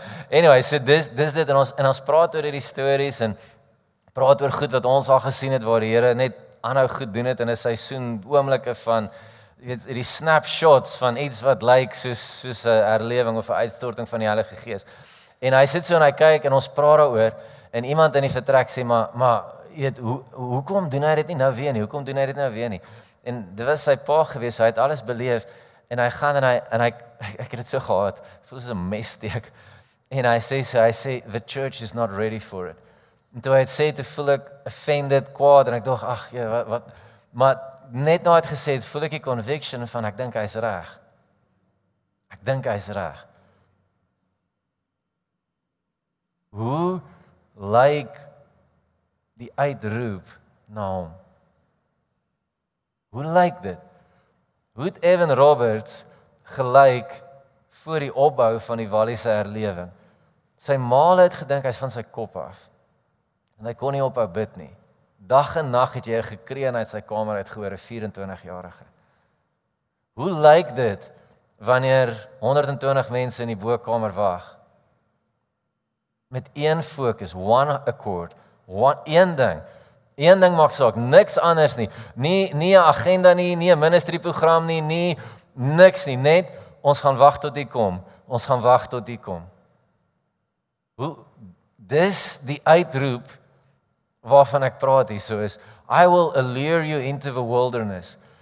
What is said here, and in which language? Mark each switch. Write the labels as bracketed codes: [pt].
[af] anyway, so dis dit en ons praat oor hierdie stories en praat oor goed wat ons al gesien het waar die Here net aanhou goed doen het in 'n seisoen oomblikke van hierdie snapshots van iets wat lyk soos 'n herlewing of 'n uitstorting van die Heilige Gees. En hy sit so en hy kyk en ons praat daaroor en iemand in die vertrek sê maar jy weet hoekom doen hy dit nie nou weer nie? Hoekom doen hy dit nou weer nie? En dit was sy pa gewees, hy het alles beleef en hy gaan en hy ek het dit so gehad. Dit voel soos 'n messteek. En hy sê [en] the church is not ready for it. [af] En toe hy het sê, toe voel ek offended, kwaad, en ek dacht, ach, ja, wat, maar net na het gesê, voel ek die conviction van, ek dink hy is reg. Ek dink hy is reg. Hoe lyk die uitroep na hom? Hoe lyk dit? Hoe het Evan Roberts gelyk voor die opbou van die Walliese herlewing? Sy maal het gedink, hy is van sy kop af. En hy kon nie ophou bid nie. Dag en nag het jy gekreun uit sy kamer uit gehoor, 24-jarige. Hoe lyk dit wanneer 120 mense in die bokamer wag? Met een fokus, one accord, een ding maak saak, niks anders nie. Nie 'n agenda nie, nie 'n ministerieprogram nie, nie niks nie, net ons gaan wag tot hy kom. Ons gaan wag tot hy kom. Hoe dis die uitroep waarvan ek praat hier, so is, [en] I will allure you into the wilderness.